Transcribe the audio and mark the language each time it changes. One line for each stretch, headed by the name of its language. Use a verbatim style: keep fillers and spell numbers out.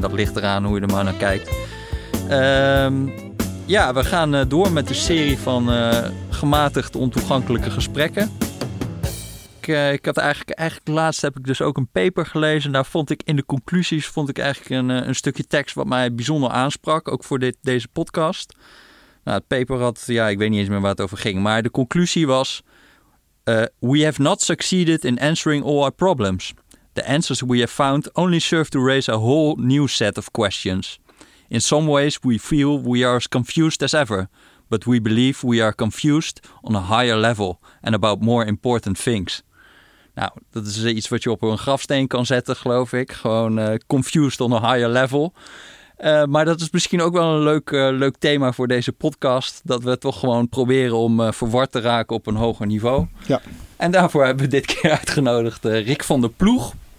Dutch: Dat ligt eraan hoe je er maar naar kijkt. Ehm, ja, we gaan eh, door met de serie van eh, gematigd ontoegankelijke gesprekken. Ik, eh, ik had eigenlijk, eigenlijk laatst heb ik dus ook een paper gelezen. Daar vond ik in de conclusies vond ik eigenlijk een, eh, een stukje tekst wat mij bijzonder aansprak. Ook voor dit, deze podcast. Nou, het paper had, ja, ik weet niet eens meer waar het over ging. Maar de conclusie was:
English: eh, we have not succeeded in answering all our problems. The answers we have found only serve to raise a whole new set of questions. In some ways we feel we are as confused as ever, but we believe we are confused on a higher level and about more important things.
Dutch: Nou, dat is iets wat je op een grafsteen kan zetten, geloof ik. Gewoon eh,
English: confused on a higher level.
Dutch: Eh, maar dat is misschien ook wel een leuk, eh, leuk thema voor deze podcast. Dat we toch gewoon proberen om eh, verward te raken op een hoger niveau. Ja. En daarvoor hebben we dit keer uitgenodigd eh, Rick van der Ploeg.